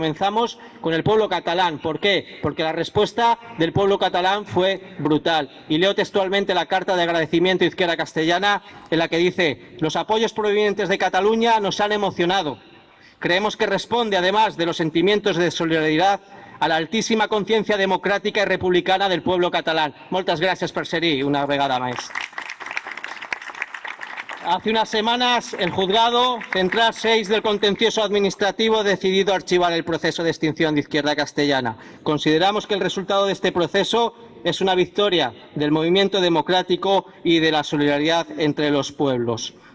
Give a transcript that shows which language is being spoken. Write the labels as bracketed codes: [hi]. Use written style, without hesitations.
[es] Comenzamos con el pueblo catalán. ¿Por qué? Porque la respuesta del pueblo catalán fue brutal. Y leo textualmente la carta de agradecimiento de Izquierda Castellana, en la que dice: «Los apoyos provenientes de Cataluña nos han emocionado. Creemos que responde, además de los sentimientos de solidaridad, a la altísima conciencia democrática y republicana del pueblo catalán». [ca] Moltes gràcies per ser-hi una vegada més. [es] Hace unas semanas, el juzgado central 6 del contencioso administrativo ha decidido archivar el proceso de extinción de Izquierda Castellana. Consideramos que el resultado de este proceso es una victoria del movimiento democrático y de la solidaridad entre los pueblos.